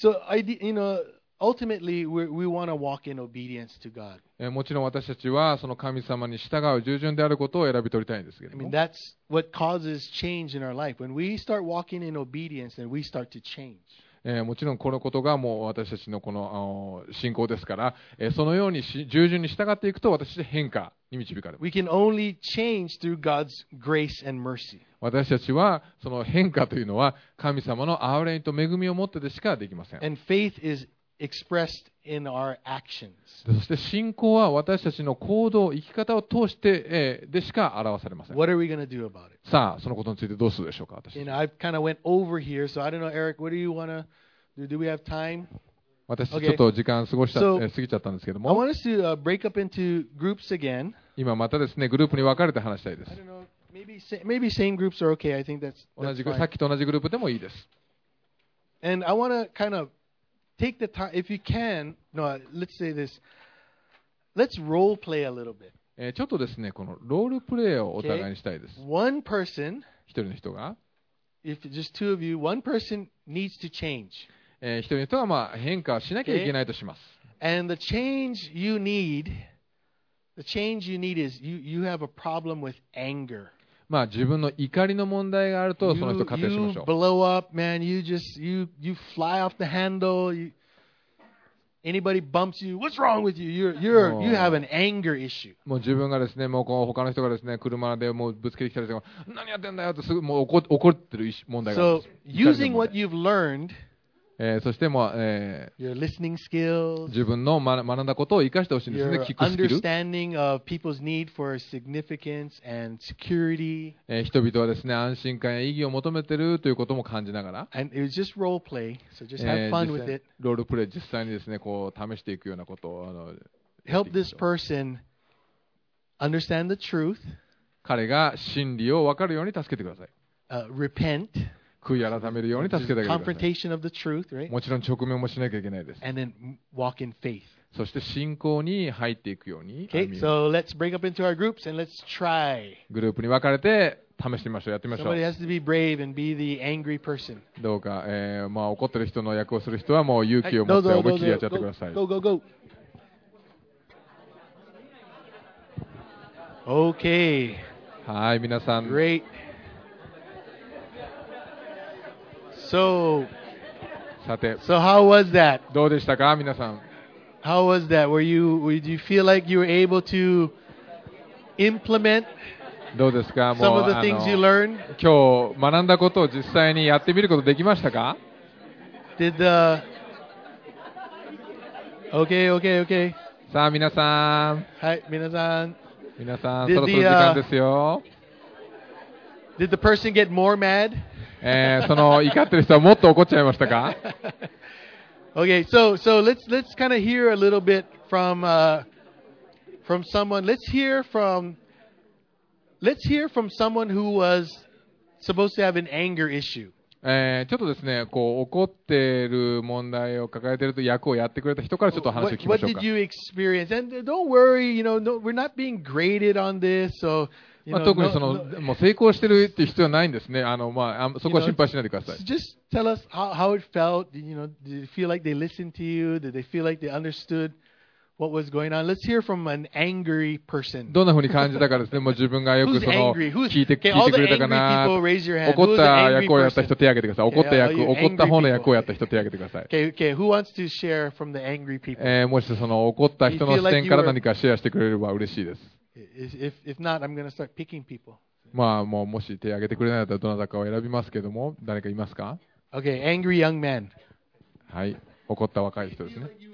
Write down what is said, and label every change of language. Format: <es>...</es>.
<en>So I, you know, ultimately we want to walk in obedience to God.</en> <ja>もちろん私たちはその神様に従う従順であることを選び取りたいんですけども。</ja> <en>I mean, that's what causes change in our life. When we start walking in obedience, then we start to change.</en> <ja>もちろんこのことがもう私たちのこの信仰ですから、そのように従順に従っていくと私たち変化に導かれます。</ja> <en>We can only change through God's grace and mercy.</en> <ja>私たちはその変化というのは神様の憐れみと恵みを持ってでしかできません。</ja> <en>And faith is expressed in our actions.</en> <ja>そして信仰は私たちの行動、生き方を通してでしか表されません。</ja> <en>What are we going to do about it?</en> <ja>さあ、そのことについてどうするでしょうか、私。</ja> <en>And I've kind of went over here, so I don't know, Eric, what do you want to do? Do we have time?</en> <ja>私ちょっと時間過ごした、okay. 過ぎちゃったんですけども。</ja> <en>I want us to break up into groups again.</en> <ja>今またですね、グループに分かれて話したいです。</ja> <en>I don't know, maybe same groups are okay. I think that's fine.</en> <ja>同じ、さっきと同じグループでもいいです。</ja> <en>And I want to kind of. Take the time, if you can, no, let's say this, let's role play a little bit.</en> <ja>ちょっとですね、このロールプレイをお互いにしたいです。</ja> <en>Okay. One person,</en> <ja>一人の人が、</ja> <en>if just two of you, one person needs to change.</en> <ja>一人の人が、まあ、変化しなきゃいけないとします。</ja> <en>Okay. And the change you need is you have a problem with anger.</en> <ja>まあ、自分の怒りの問題があるとその人仮定しましょう。</ja> <en>You blow up, man. You fly off the handle. Anybody bumps you, what's wrong with you? You have an anger issue.</en> <ja>もう自分がですね、もうこう他の人がですね、車でもうぶつけてきたりとか、何やってんだよとすぐもう怒ってる問題があります。</ja> <en>So using what you've learned,</en> <ja>そしてもう、</ja> <en>your listening skills,</en> <ja>自分の学んだことを生かしてほしいんですね。聞くスキル、</ja> <en>understanding of people's need for significance and security,</en> <ja>人々はですね安心感や意義を求めているということも感じながら、</ja> <en>and it was just role play, so just have fun with it.</en> <ja>ロールプレイ、実際にですねこう試していくようなことを、</ja> <en>help this person understand the truth.</en> <ja>彼が真理を分かるように助けてください。</ja> <en>Repent.</en> <ja>悔い改めるように助けてあげてください。</ja> <en>Truth, right?</en> <ja>もちろん直面もしなきゃいけないです。</ja> <en>And then walk in faith.</en> <ja>そして信仰に入っていくように。</ja> <en>Okay, so let's break up into our groups and let's try.</en> <ja>グループに分かれて試してみましょう。やってみましょう。</ja> <en>Somebody has to be brave and be the angry person.</en> <ja>どうか、まあ、怒ってる人の役をする人はもう勇気を持って思いっきりやっちゃってください。</ja> <en>Go, go, go. Okay.</en> <ja>はい、皆さん。</ja> <en>Great. So,</en> <ja>さて、</ja> <en>so how was that?</en> <ja>どうでしたか、皆さん。</ja> <en>How was that? Did you feel like you were able to implement</en> <ja>どうですか、もう、</ja> <en>some of the things you learned?</en> <ja>今日学んだことを実際にやってみることできましたか?</ja> <en>Did the... Okay, okay, okay.</en> <ja>さあ、皆さん。はい、皆さん。皆さん、そろそろ時間ですよ。</ja> <en>Did the person get more mad?</en> <ja>その怒ってる人はもっと怒っちゃいましたか</ja> <en>Okay, so let's kind of hear a little bit from someone. Let's hear from someone who was supposed to have an anger issue.</en> <ja>ちょっとですね、こう怒っている問題を抱えていると役をやってくれた人からちょっと話を聞きましょうか。</ja> <en>What did you experience? And don't worry, you know, no, we're not being graded on this, so,</en> <ja>まあ、特にその、</ja> <en>no, no.</en> <ja>もう成功してるっていう必要はないんですね。そこは心配しないでください。</ja> <en>Just tell us how it felt. You know, did they feel like they listened to you? Did they feel like they understood? What was going on? Let's hear from an angry person.</en> <ja>どんな風に感じたかですね。もう自分がよくその聞いてくれたかな。怒った役をやった人手を挙げてください。怒った役、怒った方の役をやった人手を挙げてください。</ja> <en>Okay, okay. Who wants to share from the angry people?</en> <ja>もしその怒った人の視点から何かシェアしてくれれば嬉しいです。</ja> <en>If not, I'm gonna start picking people.</en> <ja>まあもうもし手を挙げてくれないならどなたかを選びますけども、誰かいますか</ja> <en>？Okay, angry young man.</en> <ja>はい、怒った若い人ですね。</ja>